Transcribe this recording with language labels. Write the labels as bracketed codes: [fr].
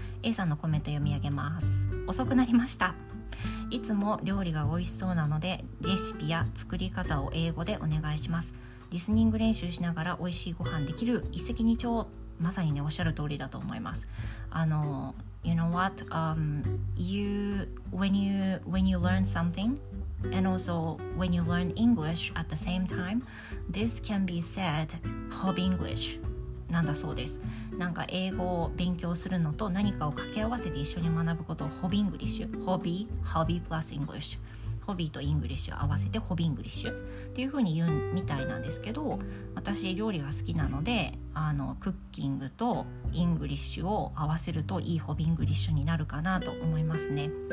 [ja] A さんのコメント読み上げます。遅くなりました。いつも料理が美味しそうなので、レシピや作り方を英語でお願いします。リスニング練習しながら美味しいご飯できる、一石二鳥。まさにね、おっしゃる通りだと思います。 [en] You know what? When you learn something and also when you learn English at the same time, this can be said hobby English [ja] なんだそうです。なんか英語を勉強するのと何かを掛け合わせて一緒に学ぶことをホビーイングリッシュ、ホビープラスイングリッシュ、ホビーとイングリッシュを合わせてホビーイングリッシュっていう風に言うみたいなんですけど、私料理が好きなので、クッキングとイングリッシュを合わせるといいホビーイングリッシュになるかなと思いますね。